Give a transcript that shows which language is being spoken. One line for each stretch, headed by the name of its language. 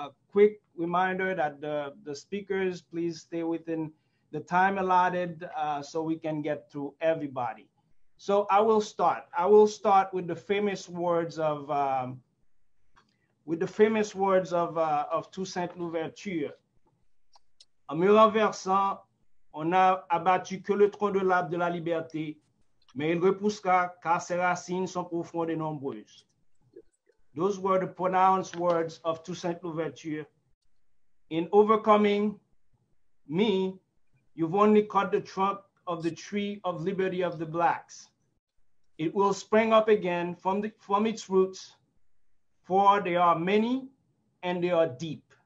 English: Quick reminder that the speakers, please stay within the time allotted so we can get to everybody. So I will start. I will start with the famous words of of Toussaint Louverture.
French: En me renversant, on n'a abattu que le tronc de l'arbre de la liberté, mais il repoussera car ses racines sont profondes et nombreuses.
English: Those were the pronounced words of Toussaint Louverture. In overcoming me, you've only cut the trunk of the tree of liberty of the blacks. It will spring up again from its roots, for they are many and they are deep.